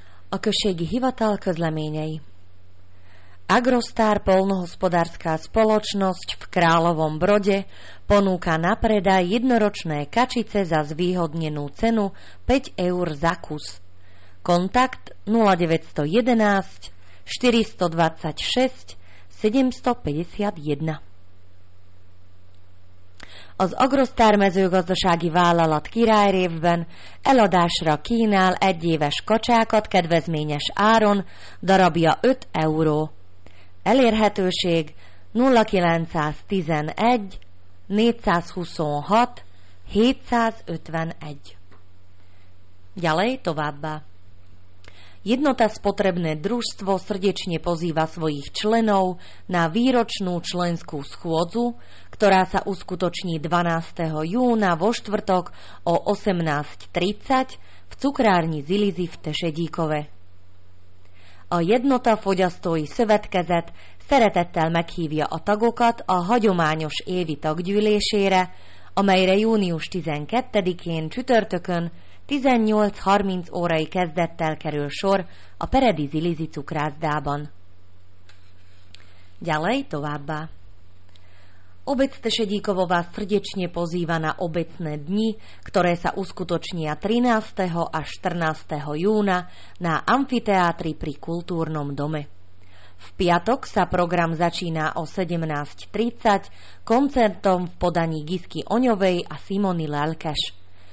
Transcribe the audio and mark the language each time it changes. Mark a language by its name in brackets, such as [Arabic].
[Hungarian] O kösegi hivatal közleményei. [Slovak] Agrostar polnohospodárská spoločnosť v Kráľovom Brode ponúka na predaj jednoročné kačice za zvýhodnenú cenu 5 eur za kus. Kontakt 0911 426 751. [Hungarian] Az Agrostar mezőgazdasági vállalat királyrévben eladásra kínál egyéves kacsákat kedvezményes áron, darabja 5 euró. Elérhetőség 0911 426 751. [Slovak] Ďalej [Hungarian] továbbá. [Slovak] Jednota spotrebné družstvo srdečne pozýva svojich členov na výročnú členskú schôdzu, ktorá sa uskutoční 12. júna vo štvrtok o 18.30 v cukrárni Zilizi v Tešedíkove. [Hungarian] A jednota fogyasztói szövetkezet szeretettel meghívja a tagokat a hagyományos évi taggyűlésére, amelyre június 12-én csütörtökön 18.30 órai kezdettel kerül sor a Peredi Zilizi cukrászdában. [Slovak] Ďalej [Hungarian] továbbá. [Slovak] Obec Tešedíkovo vás srdečne pozýva na obecné dni, ktoré sa uskutočnia 13. a 14. júna na amfiteátri pri Kultúrnom dome. V piatok sa program začína o 17.30 koncertom v podaní Gisky Oňovej a Simony Lelkeš.